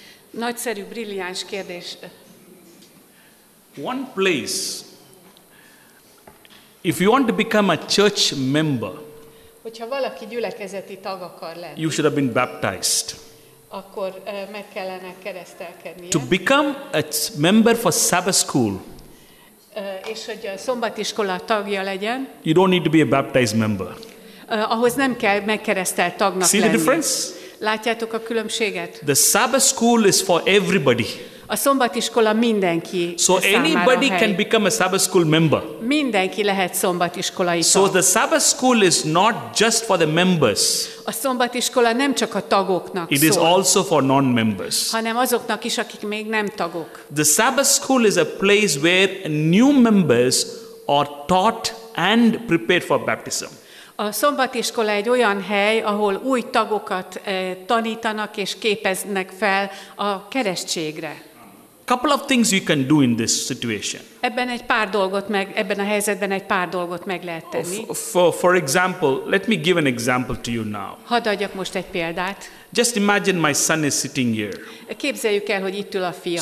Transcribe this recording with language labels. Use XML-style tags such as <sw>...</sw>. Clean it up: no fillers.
<hu>Nagyszerű, brilliáns kérdés.</hu> <en>One place, if you want to become a church member,</en> <hu>hogyha valaki gyülekezeti tag akar lenni,</hu> <en>you should have been baptized.</en> <hu>Akkor meg kellene keresztelkednie.</hu> <en>To become a member for Sabbath school,</en> <hu>és hogy a szombatiskola tagja legyen.</hu> <en>You don't need to be a baptized member.</en> <hu>Ahhoz nem kell megkeresztelt tagnak</hu> <en>See</en> <hu>lenni.</hu> <en>The difference?</en> <hu>Látjátok a különbséget?</hu> <en>The Sabbath school is for everybody.</en> <hu>A szombatiskola mindenki.</hu> <en>So anybody can become a Sabbath school member.</en> <hu>Mindenki lehet szombatiskolai tag.</hu> <en>So the Sabbath school is not just for the members.</en> <hu>A szombatiskola nem csak a tagoknak</hu> <en>It</en> <hu>szól.</hu> <en>Is also for non-members.</en> <hu>Hanem azoknak is, akik még nem tagok.</hu> <en>The Sabbath school is a place where new members are taught and prepared for baptism.</en> <hu>A szombatiskola egy olyan hely, ahol új tagokat tanítanak és képeznek fel a keresztségre.</hu> <en>Couple of things you can do in this situation.</en> <hu>Ebben egy pár dolgot meg ebben a helyzetben egy pár dolgot meg lehet tenni.</hu> <en>For example, let me give an example to you now.</en> <hu>Hadd adjak most egy példát.</hu> <en>Just imagine my son is sitting here.</en> <hu>Képzeljük el, hogy itt ül a fiam.</hu>